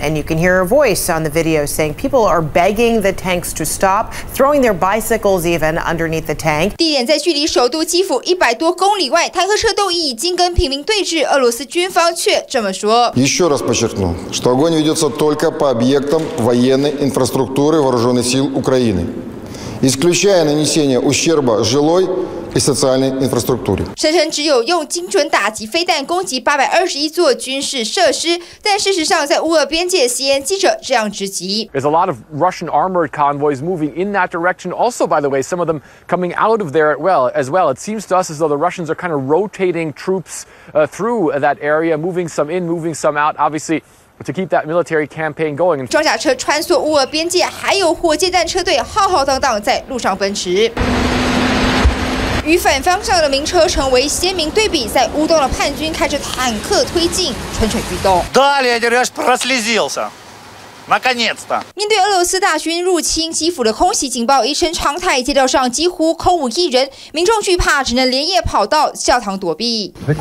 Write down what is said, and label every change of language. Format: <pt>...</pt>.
<en>And you can hear a voice on the video saying people are begging the tanks to stop, throwing their bicycles even underneath the tank.</en> <zh>地点在距离首都基辅100多公里外，坦克车都已经跟平民对峙，俄罗斯军方却这么说。</zh> <ru>Еще раз подчеркну, что огонь ведется только по объектам военной инфраструктуры вооруженных сил Украины. исключая нанесение ущерба жилой и социальной инфраструктуре.</ru> <zh>声称只有用精准打击飞弹攻击821座军事设施，但事实上，在乌俄边界，CNN记者这样直击。</zh> <en>There's a lot of Russian armored convoys moving in that direction. Also, by the way, some of them coming out of there as well. It seems to us as though the Russians are kind of rotating troops through that area, moving some in, moving some out. Obviously. To keep that military campaign going.</en> <zh>装甲车穿梭乌俄边界，还有火箭弹车队浩浩荡荡在路上奔驰。与反方向的民车成为鲜明对比，在乌东的叛军开着坦克推进，蠢蠢欲动。</zh> <ru>Далее держ прослезился, наконец-то.</ru> <zh>面对俄罗斯大军入侵基辅的空袭警报一声长叹，街道上几乎空无一人，民众惧怕，只能连夜跑到教堂躲避。</zh>